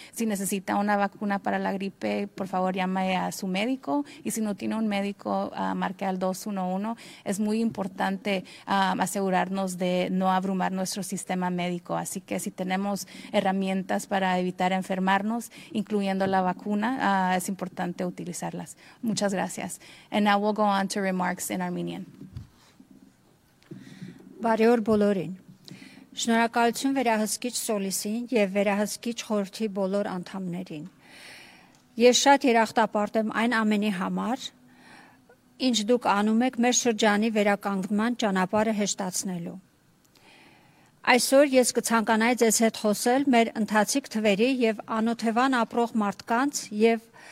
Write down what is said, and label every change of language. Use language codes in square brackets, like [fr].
[es] Si necesita una vacuna para la gripe, por favor, llame a su médico, y si no tiene un médico, marque al 211. Es muy importante asegurarnos de no abrumar nuestro sistema médico. Así que si tenemos herramientas para evitar enfermarnos, incluyendo la vacuna, es importante utilizarlas. Muchas gracias. [en] And now we'll go on to remarks in Armenian. [hy] Բարեօր բոլորին. Շնորհակալություն վերահսկիչ Սոլիսին և վերահսկիչ խորհրդի բոլոր անդամներին. Ես շատ երախտապարտ եմ այն ամենի համար, ինչ դուք անում եք մեր շրջանի վերականգնման ճանապարհը հեշտացնելու։ Այսօր ես կցանկանայի ձեզ հետ խոսել մեր ընթացիկ թվերի և անոթևան ապրող մարդկանց և